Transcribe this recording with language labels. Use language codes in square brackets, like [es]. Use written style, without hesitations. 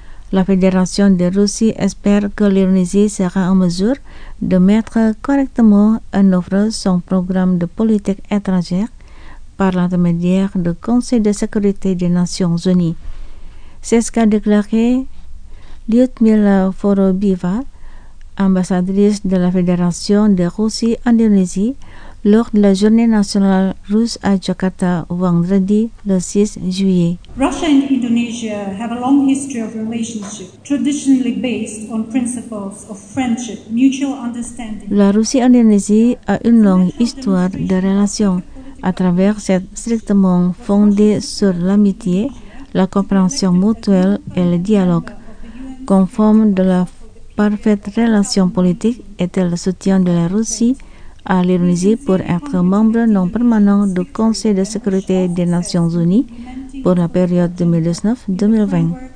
[fr] La Fédération de Russie espère que l'Indonésie sera en mesure de mettre correctement en œuvre son programme de politique étrangère par l'intermédiaire du Conseil de sécurité des Nations Unies. C'est ce qu'a déclaré Lyudmila Vorobieva, ambassadrice de la Fédération de Russie en Indonésie, lors de la Journée nationale russe à Jakarta vendredi le 6 juillet. [en] Russia and Indonesia have a long history of relationship, traditionally based on principles of friendship, mutual understanding. [fr] La Russie et l'Indonésie a une longue histoire de relations à travers cette strictement fondée sur l'amitié, la compréhension mutuelle et le dialogue. Conforme de la parfaite relation politique était le soutien de la Russie à l'Indonésie pour être membre non permanent du Conseil de sécurité des Nations Unies pour la période 2019-2020.